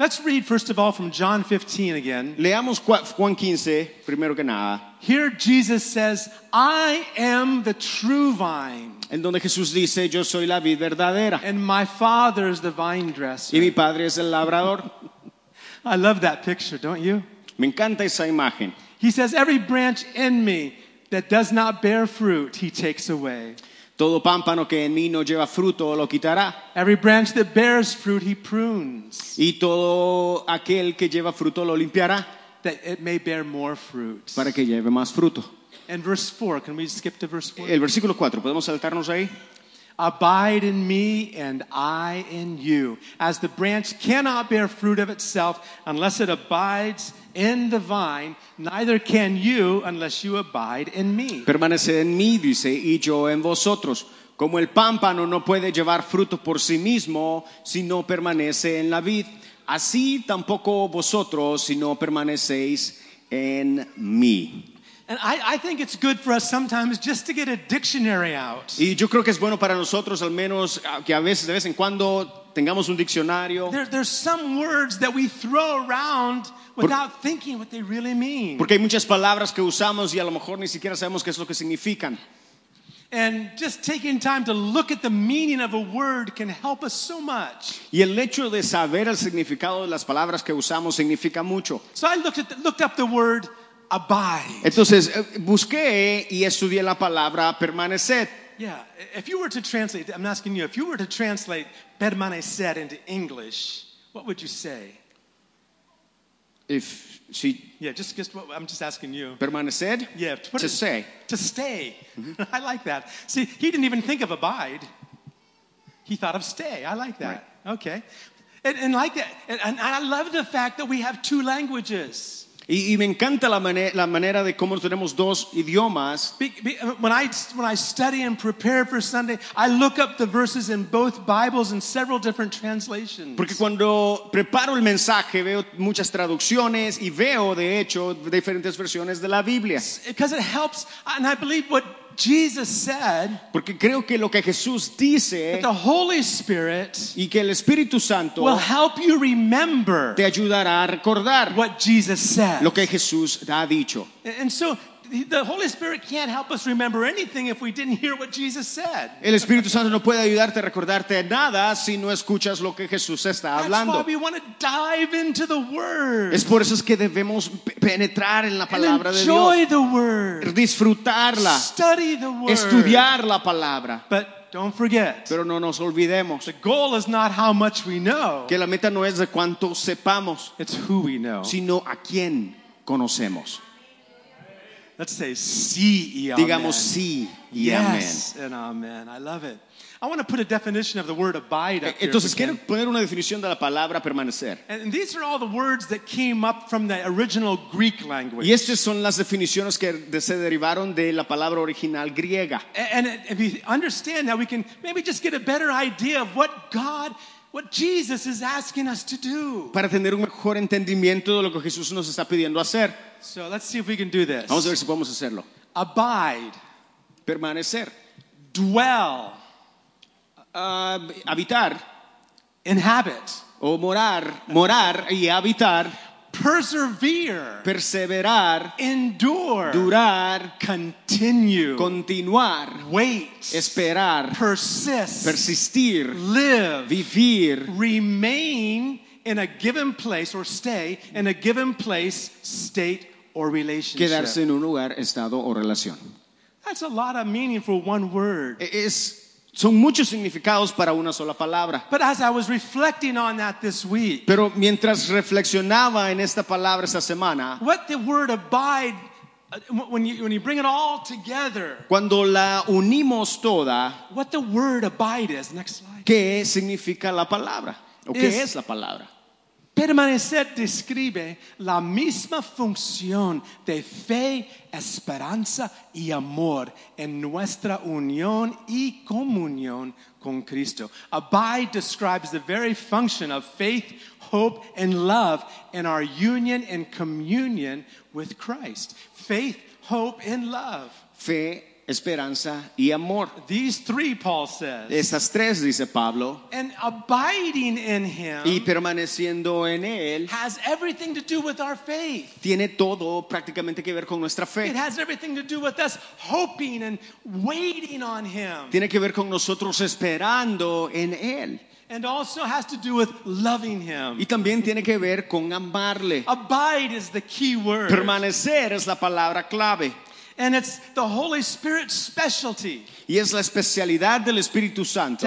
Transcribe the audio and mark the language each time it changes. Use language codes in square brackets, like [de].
[en] Let's read first of all from John 15 again. [es] Leamos Juan 15 primero que nada. [en] Here Jesus says, "I am the true vine." [es] En donde Jesús dice, yo soy la vid verdadera. [en] And my father is the vine dresser. [es] Y mi padre es el labrador. [en] I love that picture, don't you? [es] Me encanta esa imagen. [en] He says, every branch in me that does not bear fruit, he takes away. [es] Todo pámpano que en mí no lleva fruto lo quitará. [en] Every branch that bears fruit, he prunes. [es] Y todo aquel que lleva fruto lo limpiará. [en] That it may bear more fruit. [es] Para que lleve más fruto. [en] And verse 4, can we skip to verse 4? [es] El versículo 4, ¿podemos saltarnos ahí? [en] Abide in me and I in you. As the branch cannot bear fruit of itself unless it abides in the vine, neither can you unless you abide in me. [es] Permanece en mí, dice, y yo en vosotros. Como el pámpano no puede llevar fruto por sí mismo si no permanece en la vid, así tampoco vosotros si no permanecéis en mí. [en] And I think it's good for us sometimes just to get a dictionary out. [es] Y yo creo que es bueno para nosotros al menos que a veces de vez en cuando tengamos un diccionario. [en] There's some words that we throw around without thinking what they really mean. [es] Porque hay muchas palabras que usamos y a lo mejor ni siquiera sabemos qué es lo que significan. [en] And just taking time to look at the meaning of a word can help us so much. [es] Y el hecho de saber el significado de las palabras que usamos significa mucho. [en] So I looked up the word abide. [es] Entonces busqué y estudié la palabra permanecer. [en] Yeah, if you were to translate, I'm asking you, if you were to translate permanecer into English, what would you say? If she, yeah, just what I'm just asking you. [es] Permanecer? [en] Yeah, to say. To stay. Mm-hmm. I like that. See, he didn't even think of abide. He thought of stay. I like that. Right. Okay. And like that, and I love the fact that we have two languages. [es] Y me encanta la manera de cómo tenemos dos idiomas. [en] When I study and prepare for Sunday, I look up the verses in both Bibles in several different translations. [es] Porque cuando preparo el mensaje, veo muchas traducciones y veo, de hecho, diferentes versiones de la Biblia. [en] Because it helps, and I believe what Jesus said, [es] porque creo que lo que Jesús dice, [en] that the Holy Spirit, [es] y que el Espíritu Santo, [en] will help you remember, [es] te ayudará a recordar, [en] what Jesus said, [es] lo que Jesús ha dicho. [en] And so the Holy Spirit can't help us remember anything if we didn't hear what Jesus said. [es] El Espíritu Santo no puede ayudarte a recordarte nada si no escuchas lo que Jesús está hablando. [en] That's why we want to dive into the Word. [es] Es por eso es que debemos penetrar en la palabra de Dios. [en] Enjoy the Word. [es] Disfrutarla. [en] Study the Word. [es] Estudiar la palabra. [en] But don't forget. [es] Pero no nos olvidemos. [en] The goal is not how much we know. [es] Que la meta no es de cuánto sepamos. [en] It's who we know. [es] Sino a quién conocemos. [en] Let's say [es] sí y amen. Digamos sí y amen. [en] Yes and amen. I love it. I want to put a definition of the word abide up here. [es] Entonces quiero poner una definición de la palabra permanecer. [en] And these are all the words that came up from the original Greek language. [es] Y estas son las definiciones que se derivaron de la palabra original griega. [en] And if you understand that, we can maybe just get a better idea of what Jesus is asking us to do. [es] Para tener un mejor entendimiento de lo que Jesús nos está pidiendo hacer. [en] So let's see if we can do this. [es] Vamos a ver si podemos hacerlo. [en] Abide. [es] Permanecer. [en] Dwell. [es] Habitar. [en] Inhabit. [es] O morar. Morar y habitar. [en] Persevere. [es] Perseverar. [en] Endure. [es] Durar. [en] Continue. [es] Continuar. [en] Wait. [es] Esperar. [en] Persist. [es] Persistir. [en] Live. [es] Vivir. [en] Remain in a given place or stay in a given place, state or relationship. [es] Quedarse en un lugar, estado o relación. [en] That's a lot of meaning for one word. [es] Son muchos significados para una sola palabra. [en] But as I was reflecting on that this week, [es] pero mientras reflexionaba en esta palabra esta semana, [en] what the word abide, when you bring it all together, [es] cuando la unimos toda, [en] what the word abide is, next slide. [es] ¿Qué significa la palabra? ¿O qué es la palabra? Permanecer describe la misma función de fe, esperanza y amor en nuestra unión y comunión con Cristo. [en] Abide describes the very function of faith, hope, and love in our union and communion with Christ. Faith, hope, and love. [es] Fe, esperanza y amor. [en] These three, Paul says. [es] Esas tres, dice Pablo. [en] And abiding in him. [es] Y permaneciendo en él. [en] Has everything to do with our faith. [es] Tiene todo prácticamente que ver con nuestra fe. [en] It has everything to do with us hoping and waiting on him. [es] Tiene que ver con nosotros esperando en él. [en] And also has to do with loving him. [es] Y también tiene que ver con amarle. [en] Abide is the key word. [es] Permanecer es la palabra clave. [en] And it's the Holy Spirit's specialty. [es] Y es la especialidad del Espíritu Santo.